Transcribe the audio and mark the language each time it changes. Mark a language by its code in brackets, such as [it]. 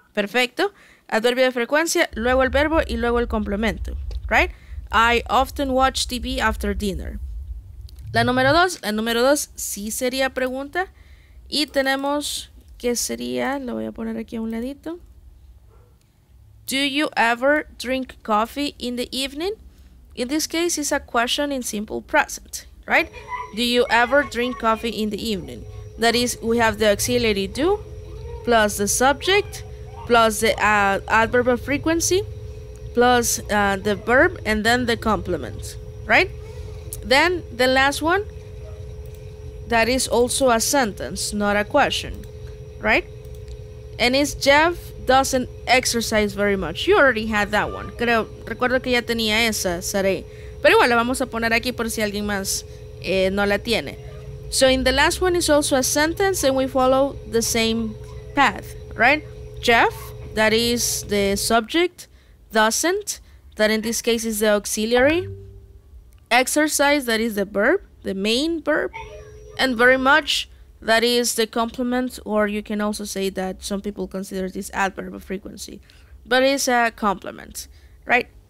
[es] Perfecto. Adverbio de frecuencia, luego el verbo y luego el complemento, right? [en] I often watch TV after dinner. [es] La número dos sí sería pregunta. Y tenemos que sería, lo voy a poner aquí a un ladito. [en] Do you ever drink coffee in the evening? In this case, it's a question in simple present, right? Do you ever drink coffee in the evening? That is, we have the auxiliary do, plus the subject, plus the adverb of frequency, plus the verb, and then the complement, right? Then the last one, that is also a sentence, not a question, right? And it's Jeff doesn't exercise very much. You already had that one. [es] Recuerdo que ya tenía esa, Sarai. Pero igual la vamos a poner aquí por si alguien más no la tiene. [en] So in the last one is also a sentence, and we follow the same path, right? Jeff, that is the subject, doesn't, that in this case is the auxiliary, exercise, that is the verb, the main verb, and very much, that is the complement, or you can also say that some people consider this adverb of frequency, but it's a complement, right?